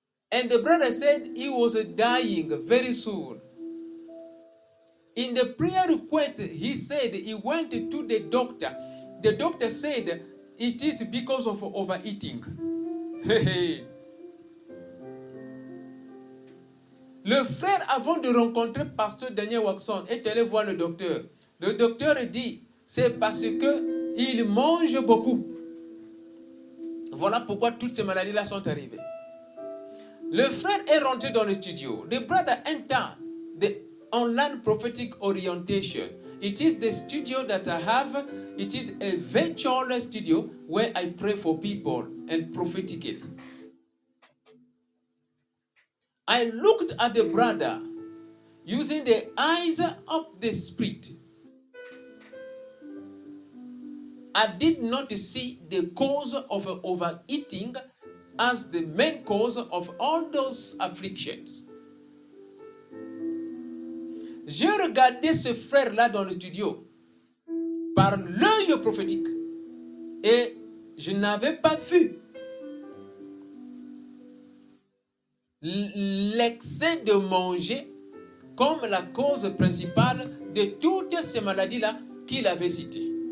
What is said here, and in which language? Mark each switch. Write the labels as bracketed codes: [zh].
[en] And the brother said he was dying very soon. In the prayer request, he said he went to the doctor. The doctor said it is because of overeating. [fr] Le frère, avant de rencontrer Pasteur Daniel Watson, est allé voir le docteur. Le docteur dit, c'est parce que il mange beaucoup. Voilà pourquoi toutes ces maladies-là sont arrivées. Le frère est rentré dans le studio. Le brother, un temps, [en] the online prophetic orientation. It is the studio that I have. It is a virtual studio where I pray for people and prophetically. I looked at the brother using the eyes of the Spirit. I did not see the cause of overeating as the main cause of all those afflictions. [fr] J'ai regardé ce frère-là dans le studio par l'œil prophétique et je n'avais pas vu l'excès de manger comme la cause principale de toutes ces maladies-là qu'il avait citées.